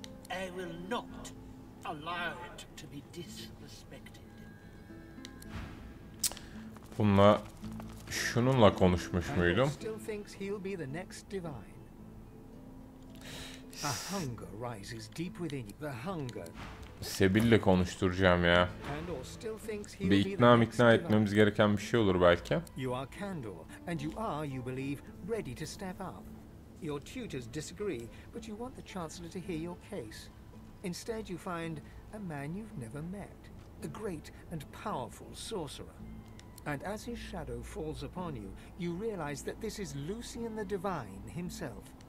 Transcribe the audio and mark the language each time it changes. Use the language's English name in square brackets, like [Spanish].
[English] I will not allow it to be disrespected. [Turkish] Bununla, şununla konuşmuş muydum? [English] Still thinks he'll be the next divine. A hunger rises deep within you. The hunger. [Turkish] Sebil'le konuşturacağım ya. Bir ikna etmemiz gereken bir şey olur belki. [English] You are Kandor and you are, you believe, ready to step up. Your tutors disagree, but you want the Chancellor to hear your case. Instead you find a man you've never met. a great and powerful sorcerer. And as his shadow falls upon you, you realize that this is Lucian the Divine himself.